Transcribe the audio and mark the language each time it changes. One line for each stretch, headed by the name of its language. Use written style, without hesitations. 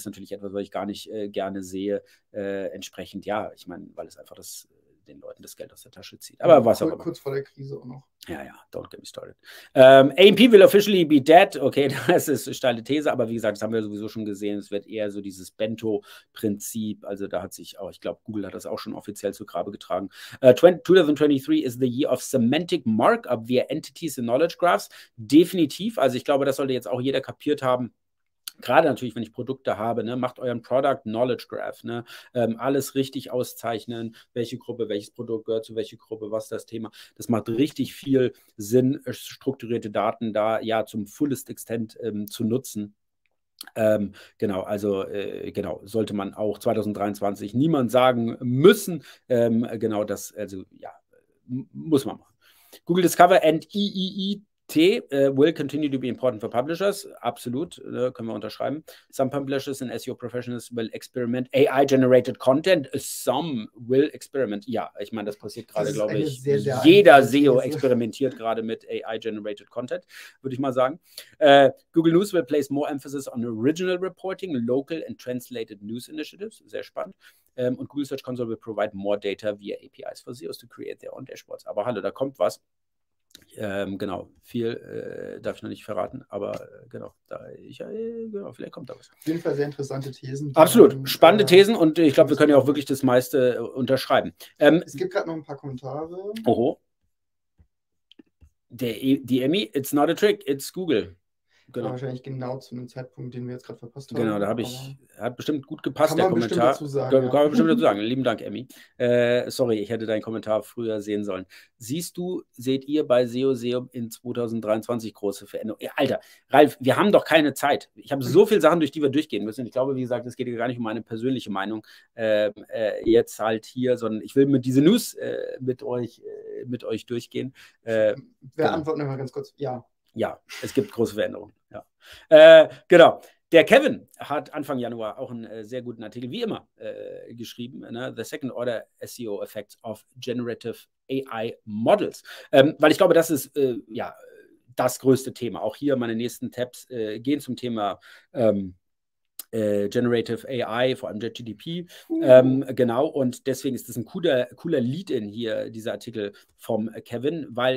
German: Das ist natürlich etwas, was ich gar nicht gerne sehe. Entsprechend, ja, ich meine, weil es einfach das den Leuten das Geld aus der Tasche zieht. Aber was auch immer. Kurz vor der Krise auch noch. Ja, ja,
English: don't get me started. AMP will officially be dead.
German: Okay, das ist eine steile These, aber wie gesagt, das haben wir sowieso schon gesehen. Es wird eher so dieses Bento-Prinzip. Also da hat sich auch, ich glaube, Google hat das auch schon offiziell zu Grabe getragen.
English: 2023 is the year of semantic markup via entities and knowledge graphs.
German: Definitiv. Also ich glaube, das sollte jetzt auch jeder kapiert haben. Gerade natürlich, wenn ich Produkte habe, ne, macht euren Product Knowledge Graph, ne, alles richtig auszeichnen, welche Gruppe, welches Produkt gehört zu welcher Gruppe, was das Thema. Das macht richtig viel Sinn, strukturierte Daten da ja zum
English: fullest Extent
German: zu nutzen. Genau, also genau, sollte man auch 2023 niemand sagen müssen. Genau das, also ja, muss man machen.
English: Google Discover and IIE. T will continue to be important for publishers.
German: Absolut, können wir unterschreiben.
English: Some publishers and SEO professionals will experiment AI-generated content. Some will experiment.
German: Ja, ich meine, das passiert gerade, glaube ich. Sehr jeder SEO experimentiert gerade mit AI-generated content, würde ich mal sagen.
English: Google News will place more emphasis on original reporting, local and translated news initiatives.
German: Sehr spannend.
English: Und Google Search Console will provide more data via APIs for SEOs to create their own dashboards.
German: Aber hallo, da kommt was. Genau, viel darf ich noch nicht verraten, aber genau, da ich genau, vielleicht kommt da was. Auf jeden Fall sehr interessante Thesen. Absolut, spannende Thesen und ich glaube, wir können ja auch wirklich das meiste unterschreiben. Es gibt gerade noch ein paar Kommentare. Oho.
English: Die Emmy, it's not a trick, it's Google.
German: Genau. Wahrscheinlich genau zu einem Zeitpunkt, den wir jetzt gerade verpasst haben. Genau, da habe ich, hat bestimmt gut gepasst, der Kommentar. Kann man bestimmt dazu sagen. Kann man bestimmt dazu sagen. Lieben Dank, Emmy. Sorry, ich hätte deinen Kommentar früher sehen sollen. Seht ihr bei SEO in 2023 große Veränderungen? Ja, Alter, Ralf, wir haben doch keine Zeit. Ich habe so viele Sachen, durch die wir durchgehen müssen. Ich glaube, wie gesagt, es geht hier gar nicht um meine persönliche Meinung jetzt halt hier, sondern ich will mit diese News mit euch durchgehen. Wir antworten nochmal ganz kurz. Ja. Ja, es gibt große Veränderungen. Ja. Genau. Der Kevin hat Anfang Januar auch einen sehr guten Artikel, wie immer, geschrieben. Ne?
English: The Second Order SEO Effects of Generative AI Models.
German: Weil ich glaube, das ist ja das größte Thema. Auch hier meine nächsten Tabs gehen zum Thema Generative AI, vor allem JGDP. Genau, und deswegen ist das ein cooler Lead-In hier, dieser Artikel vom Kevin, weil